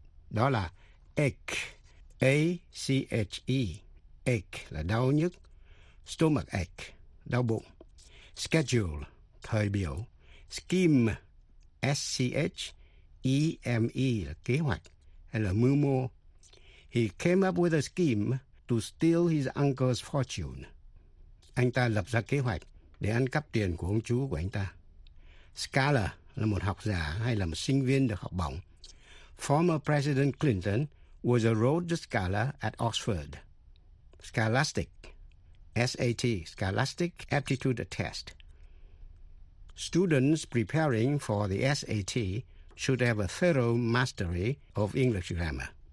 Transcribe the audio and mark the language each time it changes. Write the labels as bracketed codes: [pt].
[vi] Đó là ache, A-C-H-E. Ache là đau nhức. Stomach ache, đau bụng. Schedule, thời biểu. Scheme, S-C-H. E-M-E là kế hoạch hay là mưu mô. [en] He came up with a scheme to steal his uncle's fortune. [vi] Anh ta lập ra kế hoạch để ăn cắp tiền của ông chú của anh ta. Scholar là một học giả hay là một sinh viên được học bổng. [en] Former President Clinton was a Rhodes Scholar at Oxford. Scholastic, S-A-T, Scholastic Aptitude Test. Students preparing for the SAT should have a thorough mastery of English grammar.